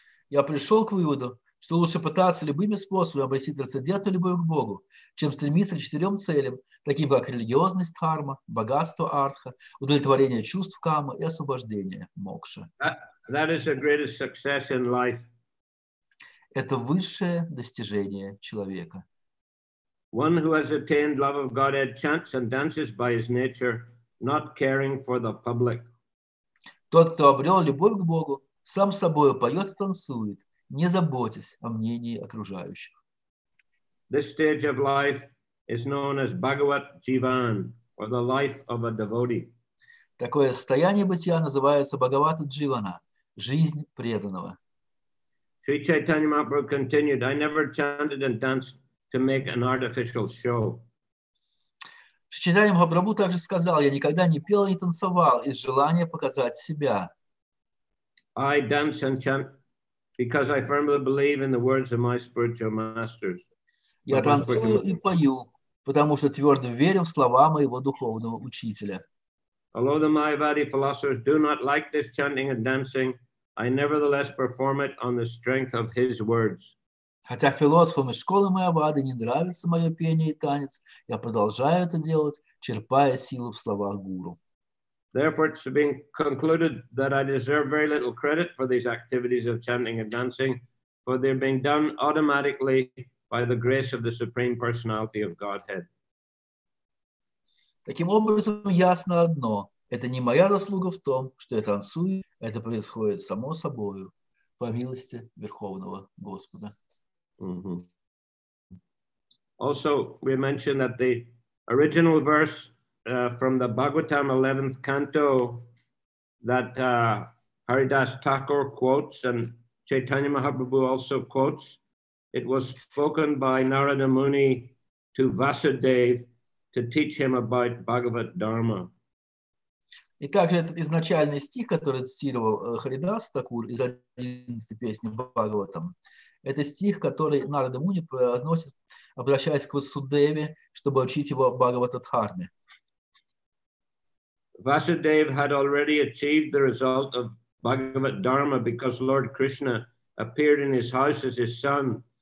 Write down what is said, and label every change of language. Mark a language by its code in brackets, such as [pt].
[ru] Я пришел к выводу, что лучше пытаться любыми способами обрести трансцендентную любовь к Богу, чем стремиться к четырем целям, таким как религиозность дхарма, богатство артха, удовлетворение чувств кама и освобождение мокша. [en] That is the greatest success in life. [ru] Это высшее достижение человека. [en] One who has attained love of Godhead chants and dances by his nature, not caring for the public. [ru] Тот, кто обрел любовь к Богу, сам собой поет и танцует, не заботясь о мнении окружающих. [en] This stage of life is known as Bhagavat Jivan, or the life of a devotee. [ru] Такое состояние бытия называется Бхагавата Дживана, жизнь преданного. [en] Шри Чайтанья Махапрабху continued, I never chanted and danced to make an artificial show. [ru] Шри Чайтанья Махапрабху также сказал, я никогда не пел и не танцевал из желания показать себя. [en] I dance and chant because I firmly believe in the words of my spiritual masters. [ru] Я танцую и пою, потому что твердо верю в слова моего духовного учителя. [en] Although the Mayavadi philosophers do not like this chanting and dancing, I nevertheless perform it on the strength of his words. [ru] Хотя философам из школы Майявады не нравится мое пение и танец, я продолжаю это делать, черпая силу в словах гуру. [en] Therefore, it's been concluded that I deserve very little credit for these activities of chanting and dancing, for they're being done automatically by the grace of the Supreme Personality of Godhead. [ru] Таким образом, ясно одно. Это не моя заслуга в том, что я танцую. Это происходит само собою, по милости Верховного Господа. Mm-hmm. [en] Also, we mentioned that the original verse from the Bhagavatam 11th canto that Haridas Thakur quotes and Chaitanya Mahaprabhu also quotes, it was spoken by Narada Muni to Vasudev to teach him about Bhagavad Dharma. [ru] И также этот изначальный стих, который цитировал Харидас Такур из 11 песни Бхагаватам, это стих, который Нарада Муни произносит, обращаясь к Васудеве, чтобы учить его Бхагавататхарме. [en] Vasudev had already achieved the result of Bhagavad Dharma because Lord Krishna appeared in his house as his son.